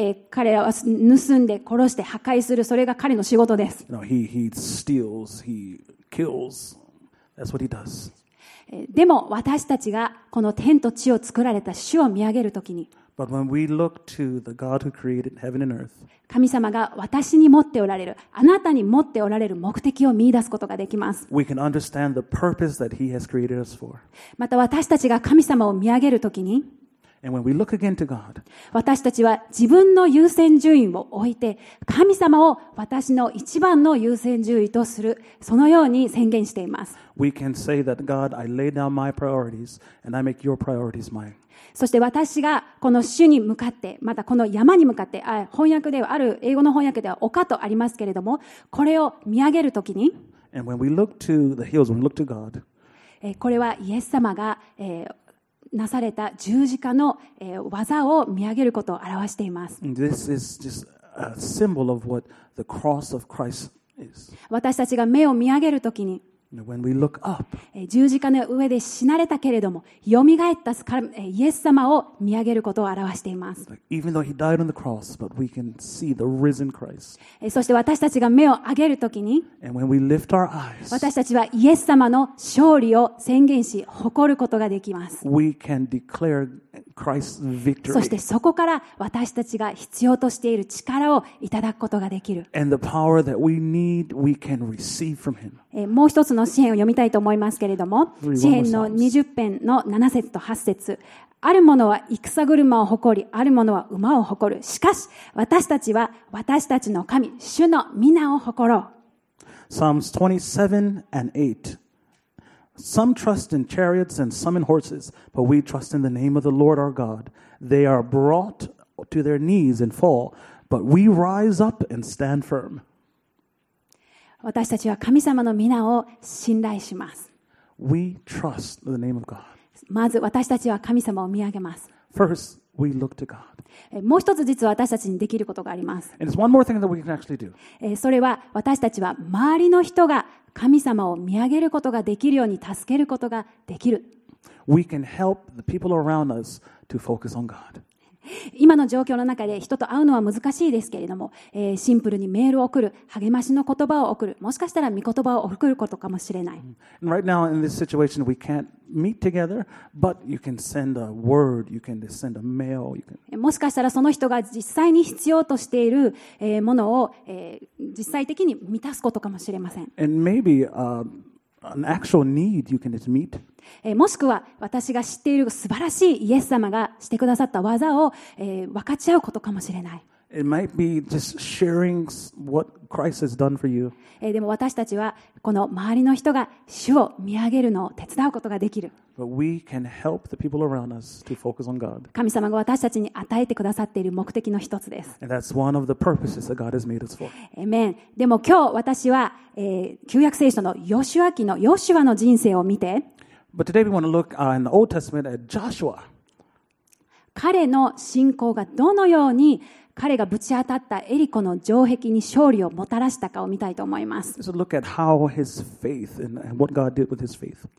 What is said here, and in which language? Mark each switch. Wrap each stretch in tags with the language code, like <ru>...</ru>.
<ja>彼らは盗んで殺して破壊する、それが彼の仕事です。</ja> <en>No, he steals, he kills. That's what he does.</en> <ja>でも私たちがこの天と地を作られた主を見上げるときに、</ja> <en>But when we look to the God who created heaven and earth,</en> <ja>神様が私に持っておられる、あなたに持っておられる目的を見出すことができます。</ja> <en>We can understand the purpose that he has created us for.</en> <ja>また私たちが神様を見上げるときに、</ja> <en>And when we look again to God,</en> <ja>私たちは自分の優先順位を置いて神様を私の一番の優先順位とするそのように宣言しています。</ja> <en>We can say that God, I lay down my priorities and I make your priorities mine.</en> <ja>そして私がこの主に向かって、またこの山に向かって、翻訳ではある英語の翻訳では丘とありますけれども、これを見上げるときに、</ja> <en>And when we look to the hills, when we look to God,</en> <ja>これはイエス様が、なされた十字架の、技を見上げることを表しています。</ja> <en>This is just a symbol of what the cross of Christ is.</en> <ja>私たちが目を見上げるときに、</ja> <en>When we look up,</en> <ja>十字架の上で死なれたけれども、蘇ったイエス様を見上げることを表しています。</ja> <en>Even though he died on the cross, but we can see the risen Christ.</en> <ja>そして私たちが目を上げるときに、</ja> <en>And when we lift our eyes,</en> <ja>私たちはイエス様の勝利を宣言し、誇ることができます。</ja> <en>We can declare Christ's victory.</en> <ja>そしてそこから私たちが必要としている力をいただくことができる。</ja> <en>And the power that we need, we can receive from him.</en> <ja>もう一つの詩編を読みたいと思いますけれども、詩編の20編の7節と8節、ある者は戦車を誇り、ある者は馬を誇る。しかし、私たちは私たちの神、主の御名を誇ろう。</ja> <en>Psalms 27 and 8 Some trust in chariots and some in horses, but we trust in the name of the Lord our God. They are brought to their knees and fall, but we rise up and stand firm.</en> <ja>私たちは神様の御名を信頼します。</ja> <en>We trust the name of God.</en> <ja>まず私たちは神様を見上げます。</ja> <en>First, we look to God.</en> <ja>もう一つ実は私たちにできることがあります。</ja> <en>And it's one more thing that we can actually do.</en> <ja>それは私たちは周りの人が神様を見上げることができるように助けることができる。</ja> <en>We can help the people around us to focus on God.</en> <ja>今の状況の中で人と会うのは難しいですけれども、シンプルにメールを送る、励ましの言葉を送る、もしかしたら御言葉を送ることかもしれない。</ja> <en>Right now in this situation, we can't meet together, but you can send a word, you can send a mail.</en> <ja>もしかしたらその人が実際に必要としているものを実際的に満たすことかもしれません。</ja> <en>And maybe an actual need you can just meet.</en> <ja>もしくは私が知っている素晴らしいイエス様がしてくださった技を、分かち合うことかもしれない。</ja> <en>It might be just sharing what Christ has done for you.</en> <ja>でも私たちはこの周りの人が主を見上げるのを手伝うことができる。</ja> <en>But we can help the people around us to focus on God.</en> <ja>神様が私たちに与えてくださっている目的の一つです。</ja> <en>And that's one of the purposes that God has made us for. Amen.</en> <ja>でも今日私は、旧約聖書のヨシュアの人生を見て、</ja> <en>But today we want to look in the Old Testament at Joshua.</en> <ja>彼の信仰がどのように彼がぶち当たったエリコの城壁に勝利をもたらしたかを見たいと思います。</ja> <en>So look at how his faith and what God did with his faith.</en>